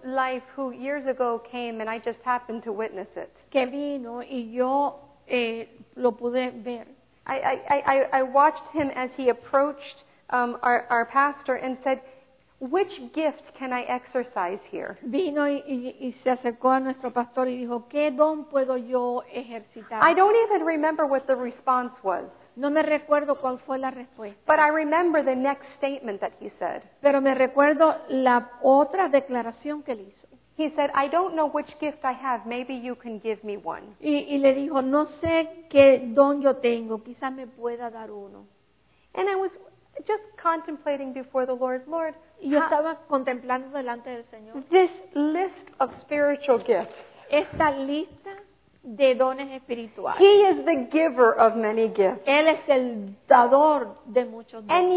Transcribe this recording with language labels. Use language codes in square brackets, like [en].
[en] life who years ago came and I just happened to witness it. [es] Que vino y yo lo pude ver. [en] I watched him as he approached our pastor and said, "Which gift can I exercise here?" [es] Vino y se acercó a nuestro pastor y dijo, "¿Qué don puedo yo ejercitar?" [en] I don't even remember what the response was. [es] No me recuerdo cuál fue la respuesta. [en] But I remember the next statement that he said. [es] Pero me recuerdo la otra declaración que él hizo. [en] He said, "I don't know which gift I have. Maybe you can give me one." [es] Y le dijo, "No sé qué don yo tengo. Quizá me pueda dar uno." [en] And I was just contemplating before the Lord, "Lord, [es] yo estaba contemplando delante del Señor. [en] This list of spiritual gifts. [es] Esta lista de dones espirituales. [en] He is the giver of many gifts. [es] Él es el dador de muchos dones.